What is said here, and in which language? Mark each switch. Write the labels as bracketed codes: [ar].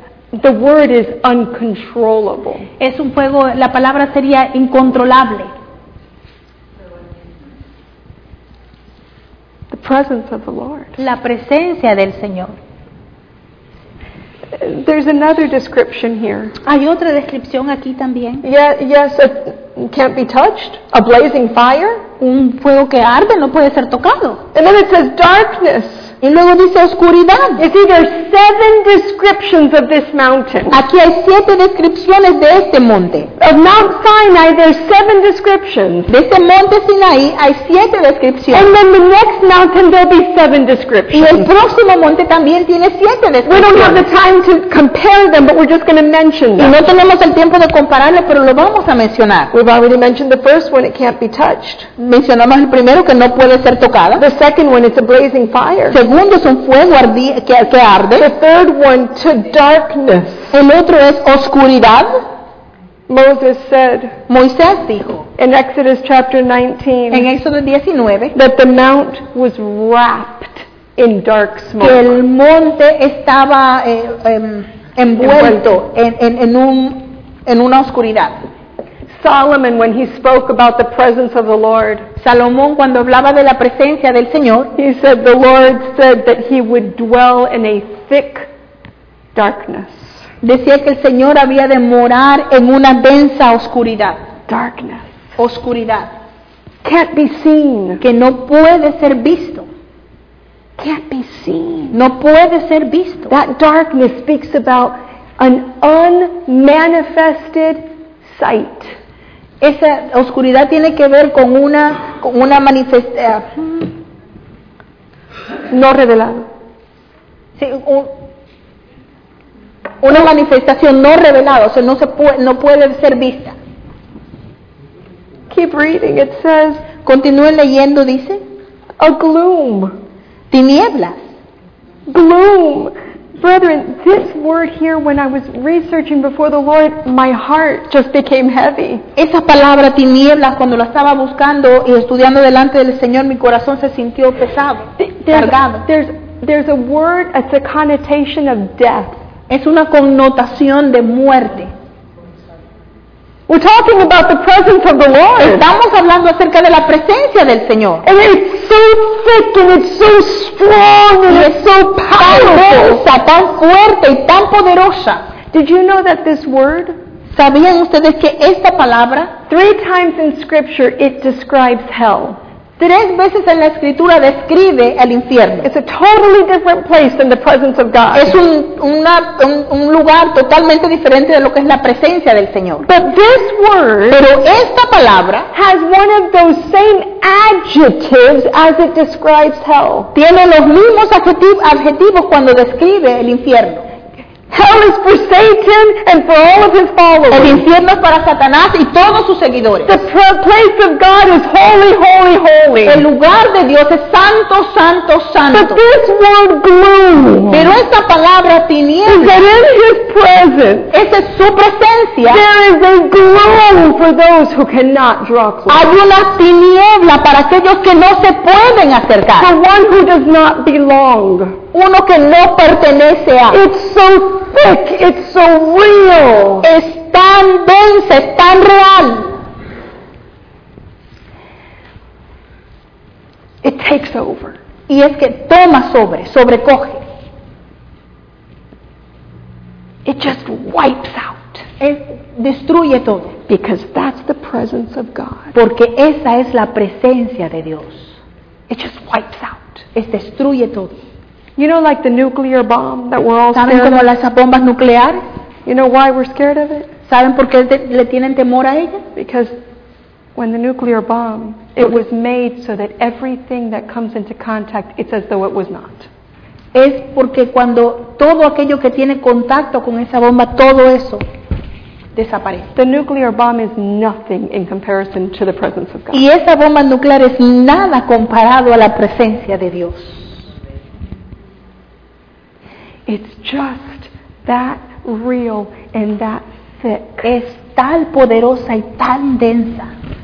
[en] The word is uncontrollable. [es] Es un fuego, la palabra sería incontrolable. [en] The presence of the Lord. [es] La presencia del Señor. [en] There's another description here. [es] Hay otra descripción aquí también. [en] Yes, it can't be touched. A blazing fire. [es] Un fuego que arde no puede ser tocado. [en] And then it says darkness. [es] Y luego dice oscuridad. [en] You see, there are 7 descriptions of this mountain. [es] Aquí hay 7 descripciones de este monte. [en] Of Mount Sinai, there are 7 descriptions. [es] De este monte Sinai hay 7 descripciones. [en] And then the next mountain, there'll be 7 descriptions. [es] Y el próximo monte también tiene 7 descripciones. [en] We don't have the time to compare them, but we're just going to mention them. [es] Y no tenemos el tiempo de compararlo, pero lo vamos a mencionar. [en] We've already mentioned the first one, it can't be touched. [es] Mencionamos el primero, que no puede ser tocada. [en] The second one, it's a blazing fire. [es] Segundo es un fuego que arde. [en] The third one, to darkness. [es] El otro es oscuridad. [en] Moses said, [es] Moisés dijo [en] in Exodus chapter 19, [es] en Éxodo 19 [en] that the mount was wrapped in dark smoke. [es] Que el monte estaba envuelto en una oscuridad. [en] Solomon, when he spoke about the presence of the Lord, [es] Salomón cuando hablaba de la presencia del Señor, [en] he said the Lord said that he would dwell in a thick darkness. [es] Decía que el Señor había de morar en una densa oscuridad. [en] Darkness. [es] Oscuridad. [en] Can't be seen. [es] Que no puede ser visto. [en] Can't be seen. [es] No puede ser visto. [en] That darkness speaks about an unmanifested sight. [es] Esa oscuridad tiene que ver con una manifestación no revelada. Sí, una manifestación no revelada, o sea, no puede ser vista. [en] Keep reading, it says. [es] Continúe leyendo, dice. [en] A gloom. [es] Tinieblas. [en] Gloom. Brethren, this word here, when I was researching before the Lord, my heart just became heavy. [es] Esa palabra tinieblas, cuando la estaba buscando y estudiando delante del Señor, mi corazón se sintió pesado, cargado. [en] There's a word, it's a connotation of death. [es] Es una connotación de muerte. [en] We're talking about the presence of the Lord. [es] Estamos hablando acerca de la presencia del Señor. [en] And it's so thick and it's so strong and it's so powerful. [es] Tan fuerte y tan poderosa. [en] Did you know that this word? [es] ¿Sabían ustedes que esta palabra? [en] 3 times in Scripture it describes hell. [es] Tres veces en la escritura describe el infierno. [en] It's a totally different place than the presence of God. [es] Es un lugar totalmente diferente de lo que es la presencia del Señor. [en] But this word, [es] pero esta palabra, [en] has one of those same adjectives as it describes hell. [es] Tiene los mismos adjetivos cuando describe el infierno. [en] Hell is for Satan and for all of his followers. [es] El infierno es para Satanás y todos sus seguidores. [en] The place of God is holy, holy, holy. [es] El lugar de Dios es santo, santo, santo. [en] But this word gloom. [es] Pero esta palabra tiniebla. [en] Is that in his presence? [es] Esa es su presencia. [en] There is a gloom for those who cannot draw close. [es] Hay una tiniebla para aquellos que no se pueden acercar. [en] For one who does not belong. [es] Uno que no pertenece a. [en] It's so thick, it's so real. [es] Es tan densa, es tan real. [en] It takes over. [es] Y es que toma sobre, sobrecoge. [en] It just wipes out. [es] Destruye todo. [en] Because that's the presence of God. [es] Porque esa es la presencia de Dios. [en] It just wipes out. [es] Es destruye todo. [en] You know, like the nuclear bomb that we're all scared of. [es] ¿Saben como las bombas nucleares? [en] You know why we're scared of it? [es] ¿Saben por qué le tienen temor a ella? [en] Because when the nuclear bomb, it was made so that everything that comes into contact, it's as though it was not. [es] Es porque cuando todo aquello que tiene contacto con esa bomba, todo eso desaparece. [en] The nuclear bomb is nothing in comparison to the presence of God. [es] Y esa bomba nuclear es nada comparado a la presencia de Dios. [en] It's just that real and that thick. [es] Es tan poderosa y tan densa.